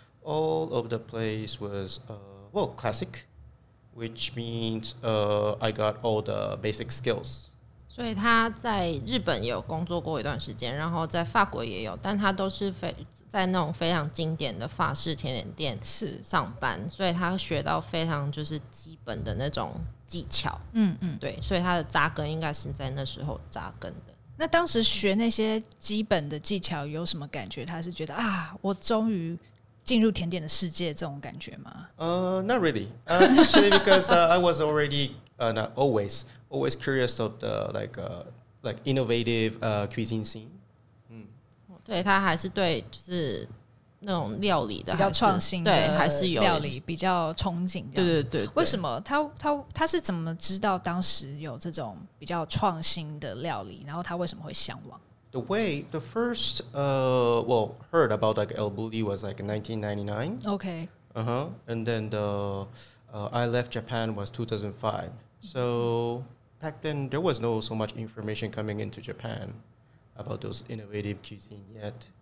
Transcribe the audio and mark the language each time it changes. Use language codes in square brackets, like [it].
[en] All of the place was, classic, which means I got all the basic skills. [zh] 所以他在日本有工作过一段时间，然后在法国也有，但他都是在那种非常经典的法式甜点店上班，所以他学到非常就是基本的那种技巧，对，所以他的扎根应该是在那时候扎根的。那当时学那些基本的技巧有什么感觉？他是觉得啊，我终于进入甜点的世界这种感觉吗？ [en] Not really. Actually, because I was already not always curious of the like innovative cuisine scene. [zh] 对，他还是对就是那种料理的比较创新的，对，还是有料理比较憧憬這樣子。对对 对, 對，为什么他是怎么知道当时有这种比较创新的料理，然后他为什么会向往？ [en] The way the first well heard about like El Bulli was like in 1999. Okay. Uh-huh. And then the I left Japan was 2005. So back then there was no so much information coming into Japan about those innovative cuisine yet.